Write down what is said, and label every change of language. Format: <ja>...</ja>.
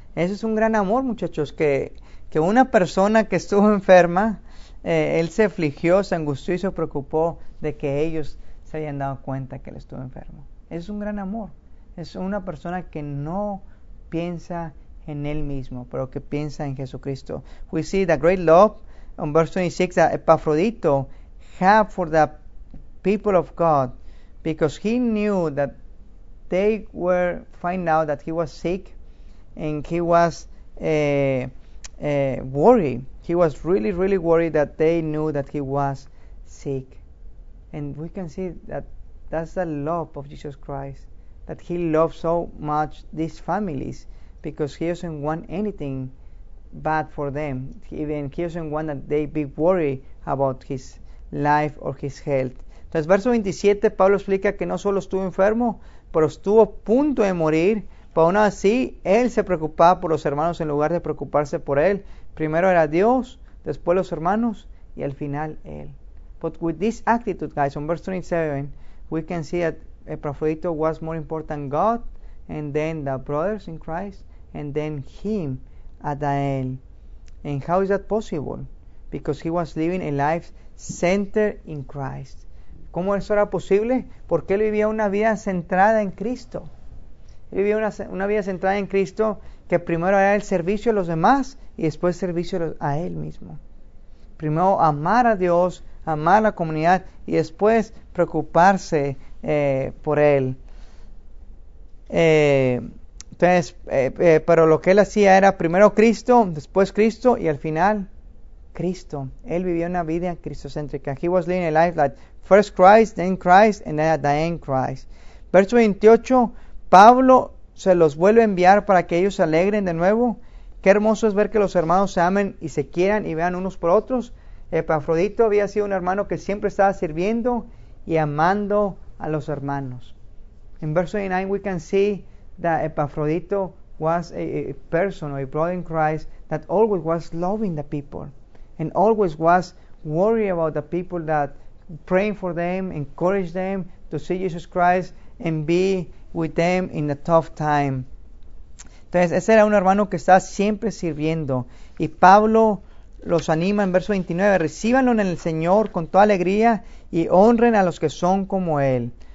<es>Ese es un gran amor, muchachos, que una persona que estuvo enferma, él se afligió, se angustió y se preocupó de que ellos se habían dado cuenta que él estuvo enfermo. Es un gran amor. Es una persona que no piensa en él mismo, pero que piensa en Jesucristo.</es> <en>We see the great love on verse 26 that Epafrodito had for the people of God, because he knew that they were find out that he was sick and he was worried. He was really, really worried that they knew that he was sick. And we can see that that's the love of Jesus Christ, that he loves so much these families, because he doesn't want anything bad for them. Even he doesn't want that they be worried about his life or his health.</en> <es>Entonces, verso 27, Pablo explica que no solo estuvo enfermo, pero estuvo a punto de morir. Pero aún así, él se preocupaba por los hermanos en lugar de preocuparse por él. Primero era Dios, después los hermanos, y al final él.</es> <en>But with this attitude, guys, on verse 27, we can see that Epafrodito was more important than God, and then the brothers in Christ, and then him at the end. And how is that possible? Because he was living a life centered in Christ.</en> <es>¿Cómo eso era posible? Porque él vivía una vida centrada en Cristo. Él vivía una vida centrada en Cristo, que primero era el servicio a los demás y después servicio a él mismo. Primero amar a Dios, amar a la comunidad y después preocuparse por él. Pero lo que él hacía era primero Cristo, después Cristo y al final Cristo. Él vivía una vida cristocéntrica.</es> <en>He was living a life like first Christ, then Christ, and then at the end Christ.</en> <es>Verso 28, Pablo se los vuelve a enviar para que ellos se alegren de nuevo. Qué hermoso es ver que los hermanos se amen y se quieran y vean unos por otros. Epafrodito había sido un hermano que siempre estaba sirviendo y amando a los hermanos. En verso 29,</es> <en>we can see that Epafrodito was a person or a brother in Christ that always was loving the people and always was worried about the people, that praying for them, encourage them to see Jesus Christ and be with them in a tough time.</en> <es>Entonces, ese era un hermano que estaba siempre sirviendo. Y Pablo los anima en verso 29, recíbanlo en el Señor con toda alegría y honren a los que son como él.</es>